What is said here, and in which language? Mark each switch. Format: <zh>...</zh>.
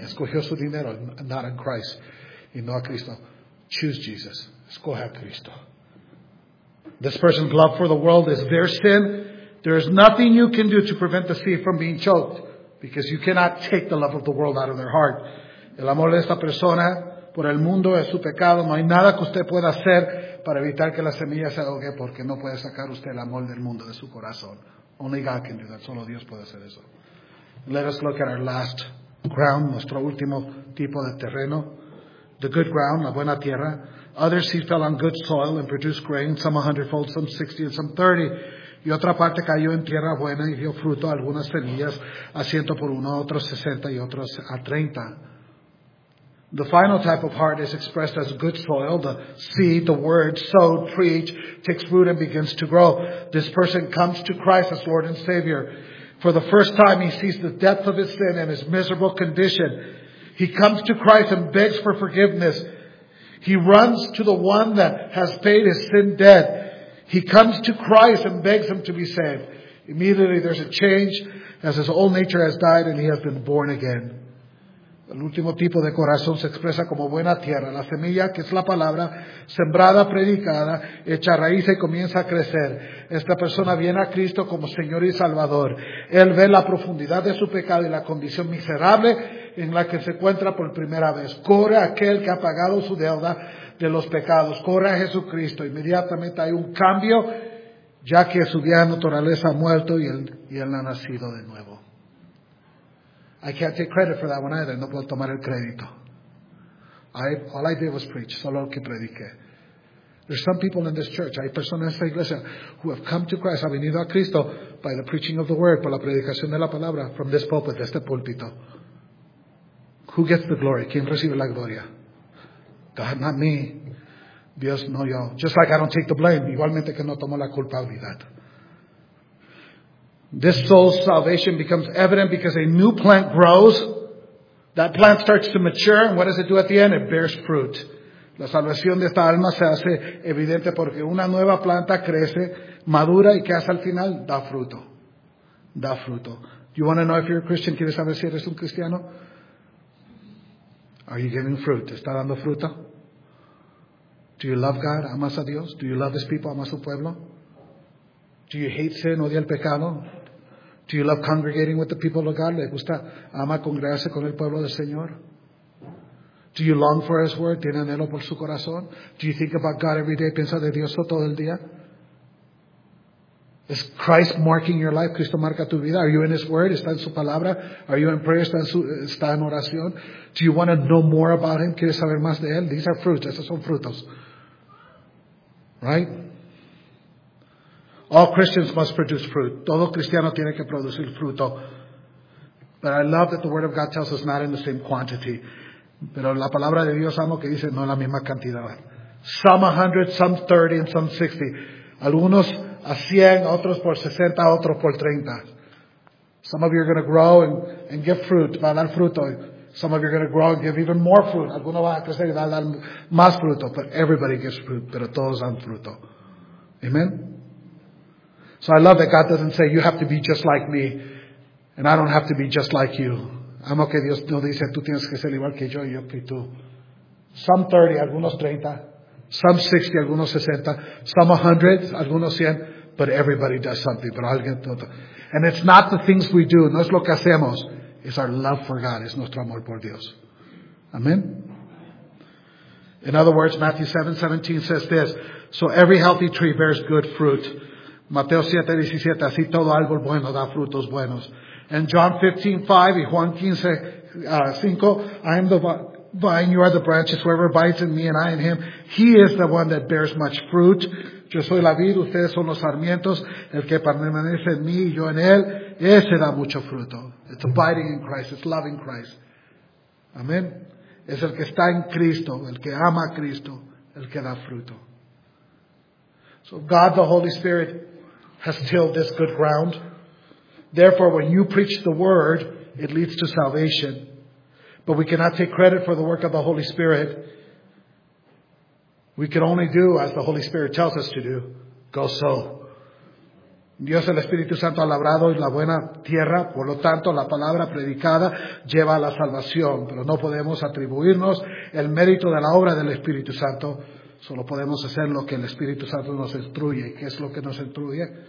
<es>Escogió su dinero,</es> <en>not in Christ,</en> <es>y no a Cristo.</es> <en>Choose Jesus.</en> <es>Escoge a Cristo.</es> <en>This person's love for the world is their sin. There is nothing you can do to prevent the seed from being choked, because you cannot take the love of the world out of their heart.</en> <es>El amor de esta persona por el mundo es su pecado. No hay nada que usted pueda hacer para evitar que la semilla se ahogue, porque no puede sacar usted el amor del mundo de su corazón.</es> <en>Only God can do that.</en> <es>Solo Dios puede hacer eso.</es> <en>Let us look at our last ground,</en> <es>nuestro último tipo de terreno.</es> <en>The good ground,</en> <es>la buena tierra.</es> <en>Other seed fell on good soil and produced grain, some 100-fold, some 60, and some 30.</en> <es>Y otra parte cayó en tierra buena y dio fruto a algunas semillas, a 100 por 1, otros 60 y otros a 30.</es> <en>The final type of heart is expressed as good soil. The seed, the word, sowed, preached, takes root and begins to grow. This person comes to Christ as Lord and Savior. For the first time, he sees the depth of his sin and his miserable condition. He comes to Christ and begs for forgiveness. He runs to the one that has paid his sin debt. He comes to Christ and begs him to be saved. Immediately there's a change as his old nature has died and he has been born again.</en> <es>El último tipo de corazón se expresa como buena tierra. La semilla, que es la palabra, sembrada, predicada, echa raíz y comienza a crecer. Esta persona viene a Cristo como Señor y Salvador. Él ve la profundidad de su pecado y la condición miserable en la que se encuentra por primera vez. Corre a aquel que ha pagado su deuda de los pecados. Corre a Jesucristo. Inmediatamente hay un cambio, ya que su vieja naturaleza ha muerto y él ha nacido de nuevo.</es> <en>I can't take credit for that one either.</en> <es>No puedo tomar el crédito.</es> <en>All I did was preach.</en> <es>Solo lo que prediqué.</es> <en>There's some people in this church.</en> <es>Hay personas en esta iglesia</es> <en>who have come to Christ,</en> <es>ha venido a Cristo</es> <en>by the preaching of the word,</en> <es>por la predicación de la palabra,</es> <en>from this pulpit,</en> <es>de este púlpito.</es> <en>Who gets the glory?</en> <es>¿Quién recibe la gloria?</es> <en>God, not me.</en> <es>Dios, no yo.</es> <en>Just like I don't take the blame.</en> <es>Igualmente que no tomo la culpabilidad.</es> <en>This soul's salvation becomes evident because a new plant grows. That plant starts to mature, and what does it do at the end? It bears fruit.</en> <es>La salvación de esta alma se hace evidente porque una nueva planta crece, madura, y que hace al final da fruto. Da fruto.</es> <en>Do you want to know if you're a Christian?</en> <es>¿Quieres saber si eres un cristiano?</es> <en>Are you giving fruit?</en> <es>¿Está dando fruto?</es> <en>Do you love God?</en> <es>¿Amas a Dios?</es> <en>Do you love His people?</en> <es>¿Amas su pueblo?</es> <en>Do you hate sin?</en> <es>¿Odia el pecado?</es> <en>Do you love congregating with the people of God?</en> <es>¿Le gusta, ama congregarse con el pueblo del Señor?</es> <en>Do you long for His word?</en> <es>¿Tiene anhelo por su corazón?</es> <en>Do you think about God every day?</en> <es>¿Piensa de Dios todo el día?</es> <en>Is Christ marking your life?</en> <es>¿Cristo marca tu vida?</es> <en>Are you in His word?</en> <es>¿Está en su palabra?</es> <en>Are you in prayer?</en> <es>¿Está en oración?</es> <en>Do you want to know more about Him?</en> <es>¿Quieres saber más de Él?</es> <en>These are fruits.</en> <es>Esos son frutos. Right?</es> <en>All Christians must produce fruit.</en> <es>Todo cristiano tiene que producir fruto.</es> <en>But I love that the word of God tells us not in the same quantity.</en> <es>Pero la palabra de Dios, amo que dice, no en la misma cantidad.</es> <en>Some 100, some 30, and some 60.</en> <es>Algunos a 100, otros por 60, otros por 30.</es> <en>Some of you are going to grow and give fruit.</en> <es>Va a dar fruto.</es> <en>Some of you are going to grow and give even more fruit.</en> <es>Algunos van a crecer y va a dar más fruto.</es> <en>But everybody gives fruit.</en> <es>Pero todos dan fruto.</es> <en>Amen. So I love that God doesn't say, you have to be just like me, and I don't have to be just like you.</en> <es>Amo que Dios no dice, tú tienes que ser igual que yo y yo que tú.</es> <en>Some 30,</en> <es>algunos 30.</es> <en>Some 60,</en> <es>algunos 60.</es> <en>Some 100,</en> <es>algunos 100.</es> <en>But everybody does something.</en> <es>Pero alguien todo.</es> <en>And it's not the things we do.</en> <es>No es lo que hacemos.</es> <en>It's our love for God.</en> <es>Es nuestro amor por Dios.</es> <en>Amen. In other words, Matthew 7:17 says this. So every healthy tree bears good fruit.</en> <es>Mateo 7:17, así todo árbol bueno da frutos buenos.</es> <en>And John 15:5</en> <es>y Juan 15:5,</es> <en>I am the vine, you are the branches, whoever abides in me and I in him, he is the one that bears much fruit.</en> <es>Yo soy la vid, ustedes son los sarmientos, el que permanece en mí y yo en él, ese da mucho fruto.</es> <en>It's abiding in Christ, it's loving Christ.</en> <es>Amén. Es el que está en Cristo, el que ama a Cristo, el que da fruto.</es> <en>So God, the Holy Spirit, has tilled this good ground. Therefore, when you preach the word, it leads to salvation. But we cannot take credit for the work of the Holy Spirit. We can only do as the Holy Spirit tells us to do. Go sow.</en> <es>Dios el Espíritu Santo ha labrado en la buena tierra, por lo tanto la palabra predicada lleva a la salvación, pero no podemos atribuirnos el mérito de la obra del Espíritu Santo, solo podemos hacer lo que el Espíritu Santo nos instruye. ¿Y qué es lo que nos instruye?</es>